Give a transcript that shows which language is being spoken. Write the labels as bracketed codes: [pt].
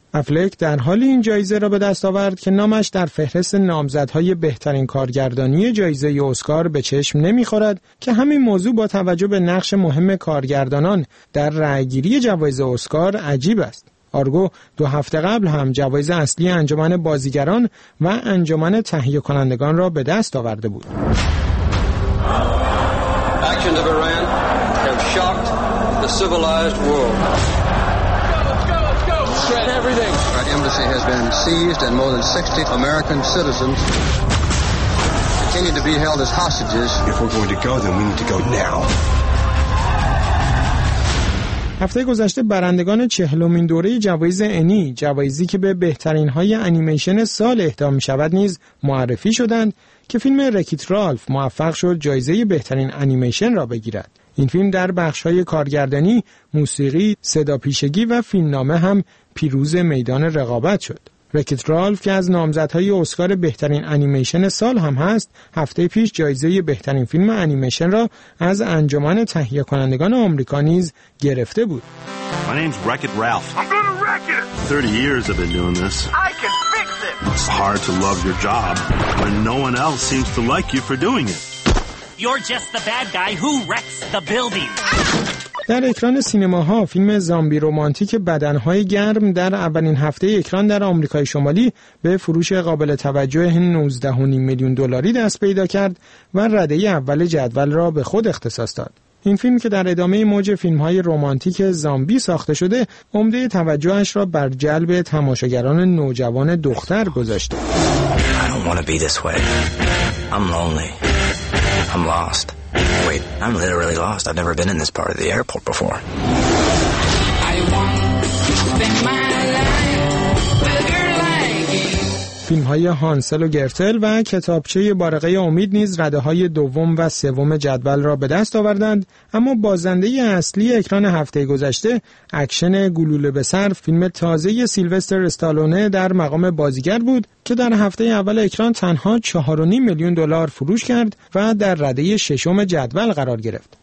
[fa] افلک در حالی این جایزه را به دست آورد که نامش در فهرست نامزدهای بهترین کارگردانی جایزه اسکار به چشم نمی‌خورد که همین موضوع با توجه به نقش مهم کارگردانان در رأی‌گیری جوایز اسکار عجیب است. آرگو دو هفته قبل هم جوایز اصلی انجمن بازیگران و انجمن تهیه کنندگان را به دست آورده بود. [en] Actions of Iran have shocked the civilized world. Shred everything. Our embassy has been seized and more than 60 American citizens continue to be held as hostages. If we're going to go, then we need to go now. [fa] هفته گذشته برندگان 40مین دوره جوایز انی، جوایزی که به بهترین های انیمیشن سال اهدا می شود نیز معرفی شدند که فیلم رکیت رالف موفق شد جایزه بهترین انیمیشن را بگیرد. این فیلم در بخش های کارگردانی، موسیقی، صداپیشگی و فیلمنامه هم پیروز میدان رقابت شد. رکیت رالف که از نامزدهای اسکار بهترین انیمیشن سال هم هست، هفته پیش جایزه بهترین فیلم انیمیشن را از انجمن تهیه کنندگان آمریکا نیز گرفته بود. [en] My name's Wreck-It Ralph. I'm gonna wreck it. 30 years I've been doing this. I can fix it. It's hard to love your job when no one else seems to like you for doing it. You're just the bad guy who wrecks the building. [fa] در اکران سینماها فیلم زامبی رومانتیک بدنهای گرم در اولین هفته اکران در آمریکای شمالی به فروش قابل توجه 19.5 میلیون دلاری دست پیدا کرد و رده اول جدول را به خود اختصاص داد. این فیلم که در ادامه موج فیلم‌های رمانتیک زامبی ساخته شده، عمده توجهش را بر جلب تماشاگران نوجوان دختر گذاشته. [en] I don't want to be this way. I'm lonely. I'm lost. Wait, I'm literally lost. I've never been in this part of the airport before. I want to spend my life with your life. [fa] فیلم‌های هانسل و گرتل و کتابچه بارقه امید نیز رده‌های دوم و سوم جدول را به دست آوردند، اما بازنده اصلی اکران هفته گذشته اکشن گلوله به سر فیلم تازه سیلوستر استالونه در مقام بازیگر بود که در هفته اول اکران تنها 4.5 میلیون دلار فروش کرد و در رده ششم جدول قرار گرفت.